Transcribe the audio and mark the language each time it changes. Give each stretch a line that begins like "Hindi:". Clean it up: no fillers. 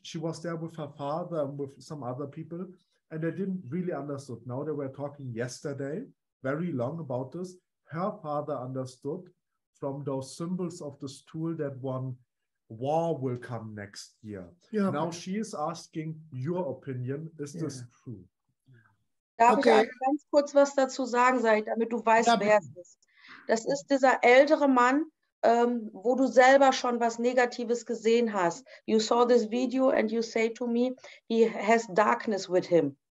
English: She was there with her father and with some other people, and they didn't really understood. Now they were talking yesterday, very long about this. Her father understood from those symbols of this tool that one war will come next year. Yeah, now she is asking your opinion. Is this true?
German: Darf ich ganz kurz was dazu sagen, Said, damit du weißt, wer es ist. Das ist dieser ältere Mann, wo du selber schon was Negatives gesehen hast.
English: You saw this video and you say to me, he has darkness with him.